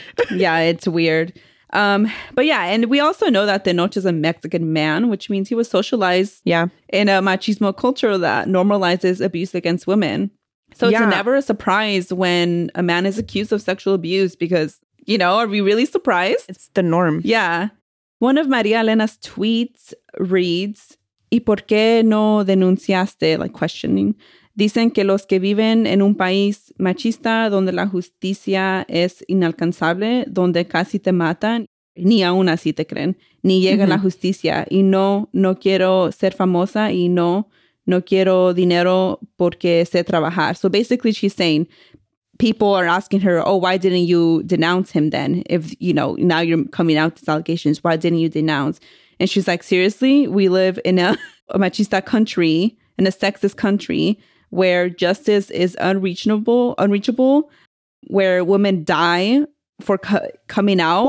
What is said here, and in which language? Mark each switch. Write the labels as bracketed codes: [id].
[en] Yeah, it's weird. But yeah, and we also know that Tenoch is a Mexican man, which means he was socialized, yeah, in a machismo culture that normalizes abuse against women. So it's never a surprise when a man is accused of sexual abuse because... You know, are we really surprised? It's the norm. Yeah. One of Maria Elena's tweets reads, [es] ¿Y por qué no denunciaste? [en] Like, questioning. [es] Dicen que los que viven en un país machista donde la justicia es inalcanzable, donde casi te matan, ni aún así te creen, ni llega la justicia. Y no, no quiero ser famosa y no, no quiero dinero porque sé trabajar. [en] So basically she's saying... People are asking her, oh, why didn't you denounce him then? If, you know, now you're coming out with these allegations, why didn't you denounce? And she's like, seriously, we live in a machista country, in a sexist country where justice is unreachable, where women die for coming out.